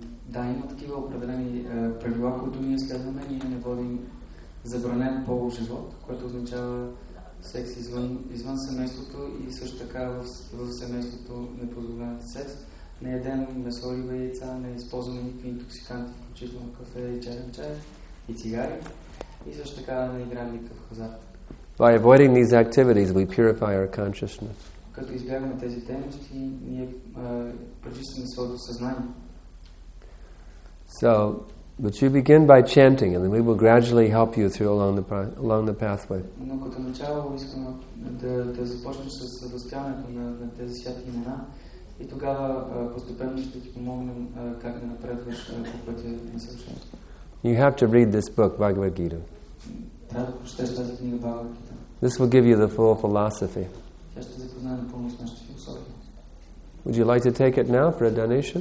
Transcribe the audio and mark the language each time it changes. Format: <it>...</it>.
<bg>Да, има такива определени правила, които ние следваме. Ние не водим забранен полов живот, което означава секс извън семейството и също така в семейството непозволен секс. Не едем месо, риба и яйца, не използваме никакви интоксиканти, включително кафе и черен чай и цигари. И също така не играем никакъв хазарт.</bg> <en>By avoiding these activities, we purify our consciousness.</en> <bg>Като избягваме тези дейности, ние пречистваме своето съзнание.</bg> <en>So, but you begin by chanting, and then we will gradually help you through along the pathway.</en> <bg>Но като начало искам да започнеш с възпяването на тези святи имена, и тогава постепенно ще ти помогнем как да напредваш по пътя на съвършенство.</bg> <en>You have to read this book, Bhagavad Gita.</en> <bg>Трябва да прочетеш тази книга Бхагавад Гита.</bg> <en>This will give you the full philosophy.</en> <bg>Тя ще запознае напълно с нашата философия.</bg> <en>Would you like to take it now for a donation?</en>